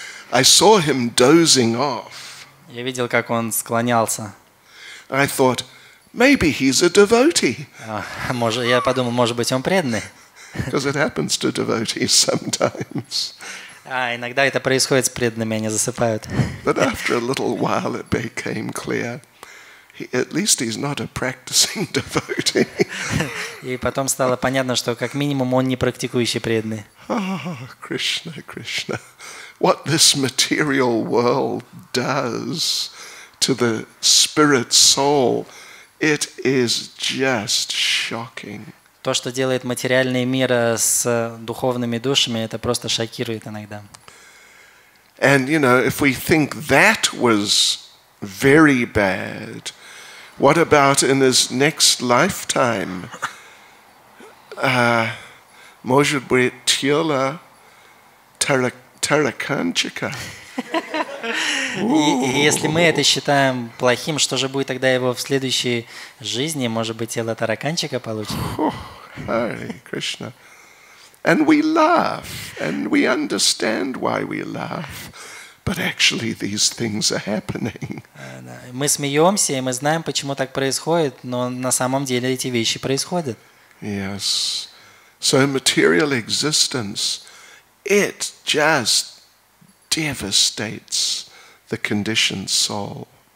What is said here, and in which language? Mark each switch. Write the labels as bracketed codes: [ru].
[en] I saw him dozing off. [ru] Я видел, как он склонялся. [en] I thought, maybe he's a devotee. [ru] Может, я подумал, может быть, он преданный. [en] Because it happens to devotees sometimes. [ru] Иногда это происходит с преданными, они засыпают. [en] But after a little while, it became clear. At least he's not a practicing devotee. [ru] И потом стало понятно, что как минимум он не практикующий преданный. Кришна, Кришна. [en] What this material world does to the spirit soul, it is just shocking. [ru] То, что делает материальный мир с духовными душами, это просто шокирует иногда. [en] And you know, if we think that was very bad, what about in his next lifetime? [ru] Может быть, тело тараканчика? Если мы это считаем плохим, что же будет тогда его в следующей жизни? Может быть, тело тараканчика получит? [en] Hare Krishna. And we laugh, and we understand why we laugh. But actually these things are happening. [ru] Мы смеемся, и мы знаем, почему так происходит, но на самом деле эти вещи происходят. [en] Yes. So material existence, it just devastates the conditioned soul.